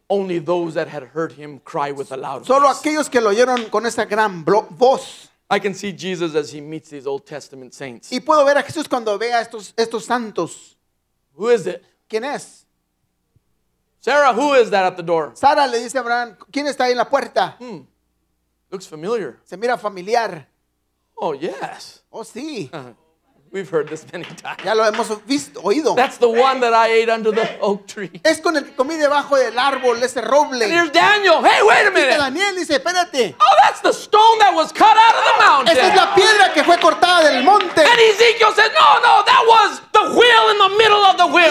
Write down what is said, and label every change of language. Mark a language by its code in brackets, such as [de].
[en] Only those that had heard him cry with a loud [es] voice. Solo aquellos que lo oyeron con esa gran voz. [en] I can see Jesus as he meets these Old Testament saints. [es] Y puedo ver a Jesús cuando ve a estos santos. [en] Who is it? [es] ¿Quién es? [en] Sarah, who is that at the door? [es] Sara le dice a Abraham, ¿quién está ahí en la puerta? [en] Hmm. Looks familiar. [es] Se mira familiar. [en] Oh, yes. [es] Oh, sí. [en] We've heard this many times. [es] Ya lo hemos visto, oído. [en] That's the one that I ate under the oak tree. [es] Es con el que comí debajo del árbol ese roble. [en] And here's Daniel. Hey, wait a minute. [es] Y Daniel dice, espérate. [en] Oh, that's the stone that was cut out of the mountain. [es] Esa es la piedra que fue cortada del monte. [en] And Ezekiel says, no, no, that was the wheel in the middle of the wheel.